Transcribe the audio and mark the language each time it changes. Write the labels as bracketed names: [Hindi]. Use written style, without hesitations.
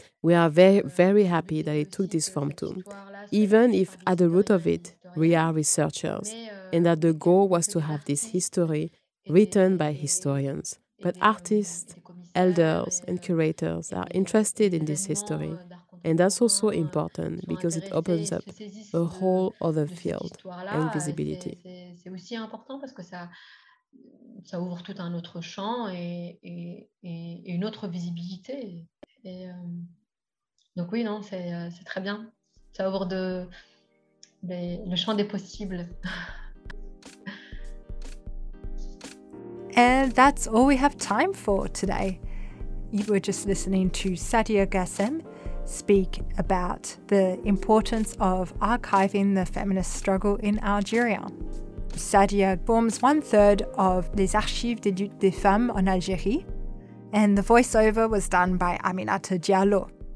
[English] We are very, very happy that it took this form too, even if at the root of it, we are researchers, and that the goal was to have this history written by historians. But artists, elders, and curators are interested in this history. And that's also important because it opens up a whole other field and visibility. [French] C'est aussi important parce que ça ouvre tout un autre champ et une autre visibilité. Donc oui, non, c'est très bien. Ça ouvre le champ des possibles. [English] And that's all we have time for today. You were just listening to Sadia Gassem speak about the importance of archiving the feminist struggle in Algeria. Sadia forms one third of Les Archives des Luttes des Femmes en Algérie, and the voiceover was done by Aminata Diallo.